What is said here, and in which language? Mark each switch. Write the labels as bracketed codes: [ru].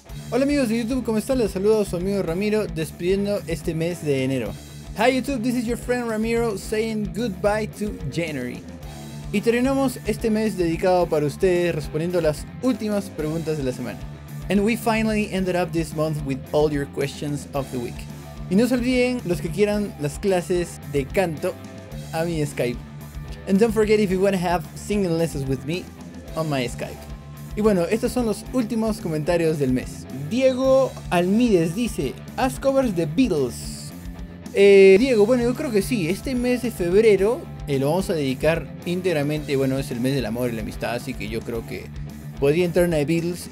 [es] Hola amigos de YouTube, ¿cómo están? Les saludo a su amigo Ramiro, despidiendo este mes de enero. [en] Hi YouTube, this is your friend Ramiro, saying goodbye to January. [es] Y terminamos este mes dedicado para ustedes, respondiendo las últimas preguntas de la semana. [en] And we finally ended up this month with all your questions of the week. [es] Y no se olviden, los que quieran las clases de canto, a mi Skype. [en] And don't forget if you want to have singing lessons with me, on my Skype. [es] Y bueno, estos son los últimos comentarios del mes. Diego Almides dice, haz covers de Beatles. Diego, bueno, yo creo que sí, este mes de febrero lo vamos a dedicar íntegramente. Bueno, es el mes del amor y la amistad, así que yo creo que podría entrar en The Beatles.